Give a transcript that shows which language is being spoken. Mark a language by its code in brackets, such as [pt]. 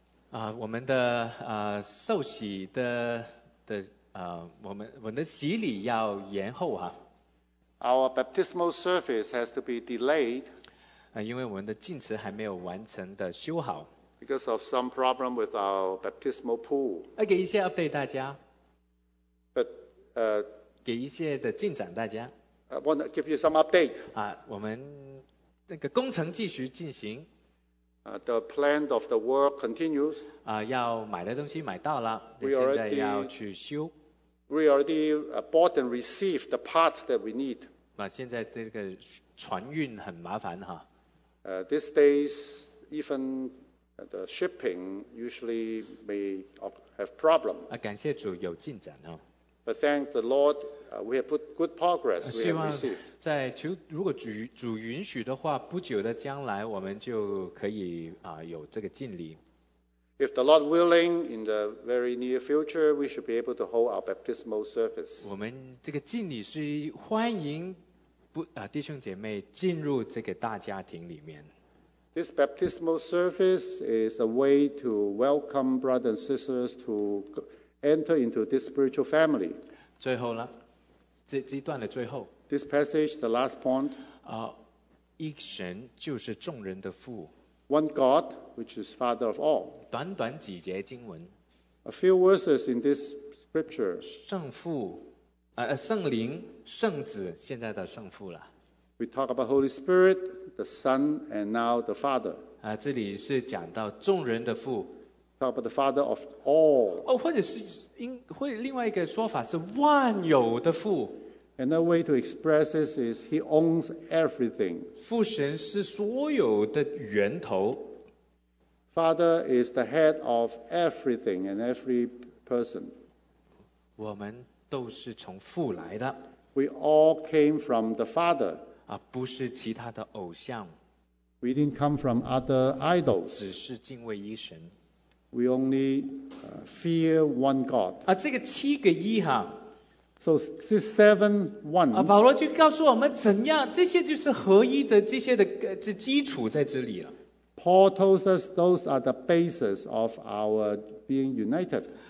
[zh] 我们的受洗的我们的洗礼要延后啊。 [en] Our baptismal service has to be delayed. [zh] 因为我们的浸池还没有完成的修好。 [en] because of some problem with our baptismal pool. [zh] 给一些 update 大家。 [en] But [zh] 给一些的进展大家。 [en] I want to give you some update. [zh] 我们那个工程继续进行。 [en] The plan of the work continues. [zh] 要买的东西买到了，现在要去修。 [en] We already bought and received the part that we need. [zh] 现在这个船运很麻烦哈。 [en] These days, even the shipping usually may have problem. [zh] 感谢主有进展哦。 [en] But thank the Lord, we have put good progress. We have received. [zh] 在求如果主允许的话，不久的将来我们就可以有这个进礼。 [en] If the Lord willing, in the very near future, we should be able to hold our baptismal service. [zh] 我们这个敬礼是欢迎弟兄姐妹进入这个大家庭里面。 [en] This baptismal service is a way to welcome brothers and sisters to enter into this spiritual family. [zh] 最后了，这段的最后。 [en] This passage, the last point. [zh] 一神就是众人的父。 [en] One God, which is Father of all. [zh] 短短几节经文。 [en] A few verses in this scripture. [zh] 圣父，圣灵，圣子，现在的圣父了。 [en] We talk about Holy Spirit, the Son, and now the Father. [zh] 这里是讲到众人的父。 [en] Talk about the Father of all. [zh] 或者另外一个说法是万有的父。 [en] Another way to express this is he owns everything. [zh] 父神是所有的源头。 [en] Father is the head of everything and every person. [zh] 我们都是从父来的。 [en] We all came from the Father. [zh] 不是其他的偶像。 [en] We didn't come from other idols. [zh] 只是敬畏一神。 [en] We only fear one God. [zh] 这个七个一哈。 [en] So these seven ones. [zh] 保罗就告诉我们怎样，这些就是合一的这些的这基础在这里了。 [en] Paul tells us those are the basis of our being united.